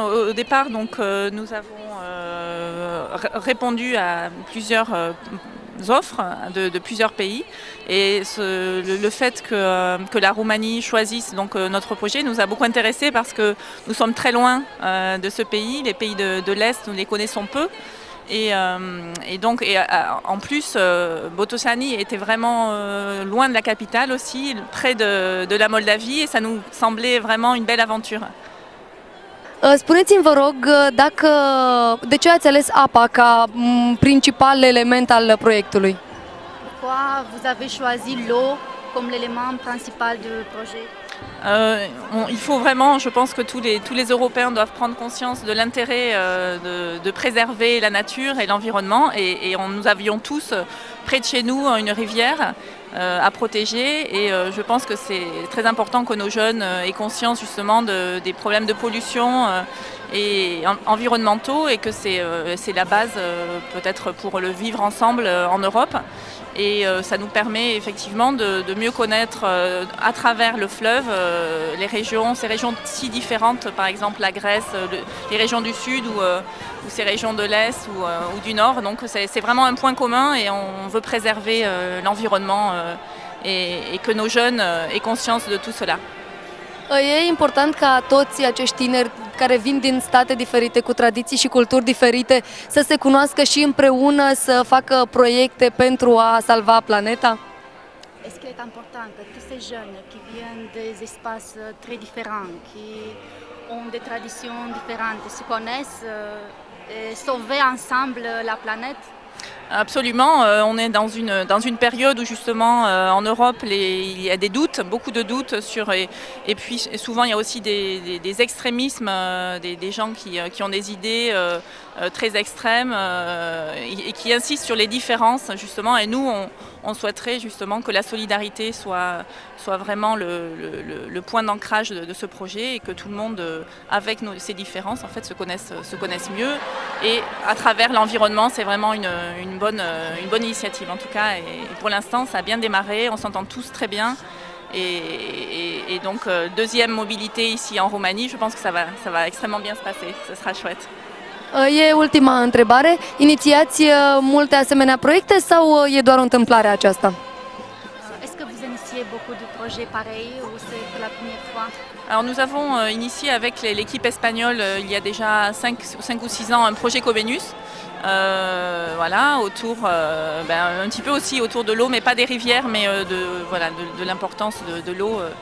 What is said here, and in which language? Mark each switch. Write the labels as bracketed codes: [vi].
[fr] Au départ, donc, nous avons répondu à plusieurs offres de plusieurs pays et le fait que la Roumanie choisisse donc notre projet nous a beaucoup intéressé parce que nous sommes très loin de ce pays, les pays de l'Est nous les connaissons peu et en plus Botoșani était vraiment loin de la capitale aussi, près de la Moldavie et ça nous semblait vraiment une belle aventure. [ro] Spuneți-mi, vă rog, dacă, de ce ați ales apa ca principal element al proiectului? [fr] Pourquoi vous avez choisi l'eau comme l'élément principal du projet? Il faut vraiment, je pense que tous les Européens doivent prendre conscience de l'intérêt de préserver la nature et l'environnement. Nous avions tous près de chez nous une rivière à protéger. Je pense que c'est très important que nos jeunes aient conscience justement des problèmes de pollution et environnementaux et que c'est la base peut-être pour le vivre ensemble en Europe. Ça nous permet effectivement de mieux connaître à travers le fleuve les régions, ces régions si différentes, par exemple la Grèce, les régions du sud ou ces régions de l'Est ou du Nord. Donc c'est vraiment un point commun et on veut préserver l'environnement et que nos jeunes aient conscience de tout cela. [ro] E important ca toți acești tineri care vin din state diferite, cu tradiții și culturi diferite, să se cunoască și împreună să facă proiecte pentru a salva planeta? Este foarte important ca toți acești jeuni care vin din spații foarte diferite, care au de tradiții diferite, se cunoască și salvează ensemble la planetă? [fr] Absolument, on est dans une période où justement en Europe il y a des doutes, beaucoup de doutes sur et puis souvent il y a aussi des extrémismes, des gens qui ont des idées très extrêmes et qui insistent sur les différences justement et nous on souhaiterait justement que la solidarité soit vraiment le point d'ancrage de ce projet et que tout le monde avec ces différences en fait se connaisse mieux et à travers l'environnement c'est vraiment une bonne initiative en tout cas et pour l'instant ça a bien démarré, on s'entend tous très bien et donc deuxième mobilité ici en Roumanie, je pense que ça va extrêmement bien se passer, ce sera chouette. [ro] E ultima întrebare. Inițiați multe asemenea proiecte sau e doar o întâmplare aceasta? [fr] Est-ce que vous initiez beaucoup de projets pareils ou c'est la première fois? Alors nous avons initié avec l'équipe espagnole il y a déjà 5 ou 6 ans un projet Covenus. Un petit peu aussi autour de l'eau, mais pas des rivières, mais de l'importance de l'eau.